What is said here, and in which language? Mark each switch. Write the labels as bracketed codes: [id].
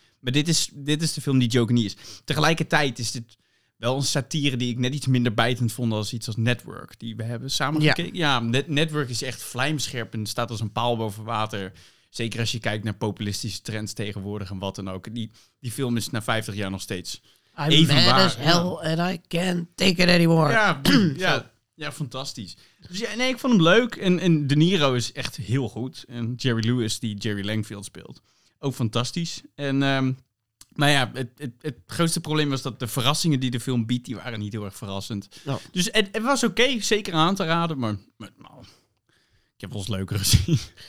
[nl] Maar dit is de film die Joker niet is. Tegelijkertijd is dit wel een satire die ik net iets minder bijtend vond als iets als Network, die we hebben samen gekeken. Ja, Network is echt vlijmscherp en staat als een paal boven water. Zeker als je kijkt naar populistische trends tegenwoordig en wat dan ook. Die film is na 50 jaar nog steeds evenwaar. [en] I'm mad as hell and I can't take it anymore. [nl] Ja, ja, ja, fantastisch. Dus ja, nee, ik vond hem leuk. En De Niro is echt heel goed. En Jerry Lewis, die Jerry Langfield speelt, ook fantastisch. En maar ja, het grootste probleem was dat de verrassingen die de film biedt, die waren niet heel erg verrassend. Ja. Dus het was oké, zeker aan te raden, maar ik heb ons leuker gezien.